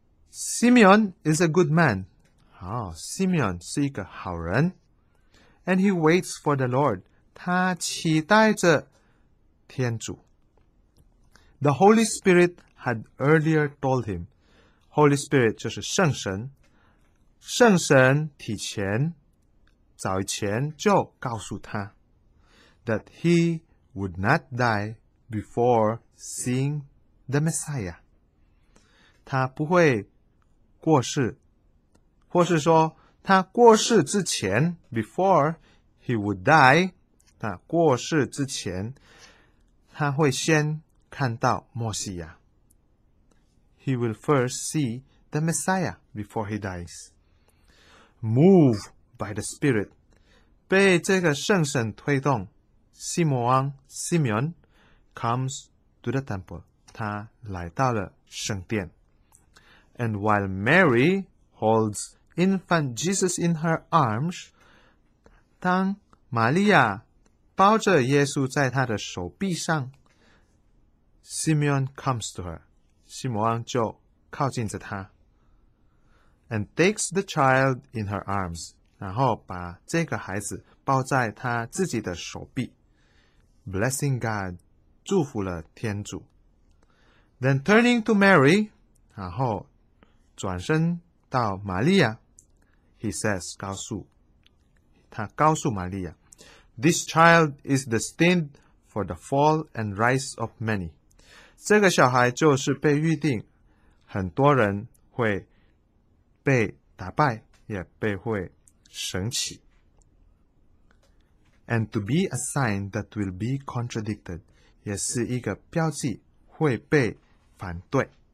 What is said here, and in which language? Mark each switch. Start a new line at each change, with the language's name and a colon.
English: Simeon is a good man,Simeon
Chinese: 是一个好人
English: and he waits for the Lord.
Chinese: 他期待着天主
English: The Holy Spirit had earlier told him.
Chinese: Holy Spirit 就是圣神，圣神提前早以前就告诉他
English: that he would not die before seeing the Messiah，
Chinese: 他不会过世，或是说他过世之前
English: before he would die，
Chinese: 他过世之前他会先看到墨西亚。
English: He will first see the Messiah before he dies. Move by the Spirit.
Chinese: 被这个圣神推动，
English: 西摩王 Simeon comes to the temple.
Chinese: 他来到了圣殿。
English: And while Mary holds infant Jesus in her arms,
Chinese: 当玛利亚抱着耶稣在他的手臂上，
English: Simeon comes to her.
Chinese: 西摩王就靠近着她
English: and takes the child in her arms.
Chinese: 然后把这个孩子抱在他自己的手臂。
English: Blessing God,
Chinese: 祝福了天主。
English: Then turning to Mary,
Chinese: 然后转身到玛利亚，
English: he says,
Chinese: 告诉他告诉玛利亚，
English: This child is destined for the fall and rise of many.
Chinese: 这个小孩就是被预定，很多人会被打败，也被会神起。
English: And to be a sign that will be contradicted，
Chinese: 也是一个标记，会被反对。